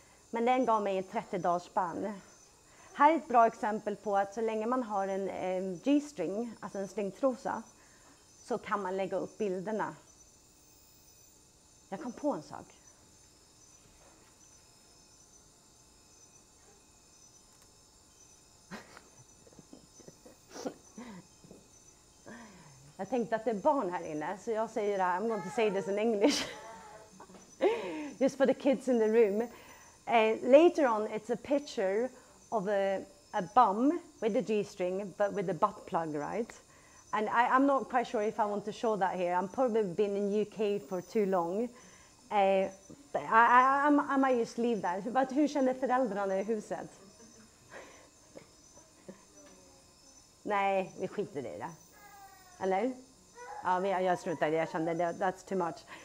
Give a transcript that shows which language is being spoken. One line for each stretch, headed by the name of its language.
Swedish: Men den gav mig en 30-dagsspann. Här är ett bra exempel på att så länge man har en G-string, alltså en stringtrosa, så kan man lägga upp bilderna. Jag kom på en sak. Jag tänkte att det är barn här inne, så jag säger det här.
English: I'm going to say this in English. Just for the kids in the room. Later on, it's a picture of a bum with a G-string, but with a butt plug, right? And I'm not quite sure if I want to show that here. I've probably been in UK for too long. I might just leave that.
Swedish: But hur känner föräldrarna i huset? Nej, vi skiter i det. Eller? Ja, jag slutade, jag kände det.
English: That's too much.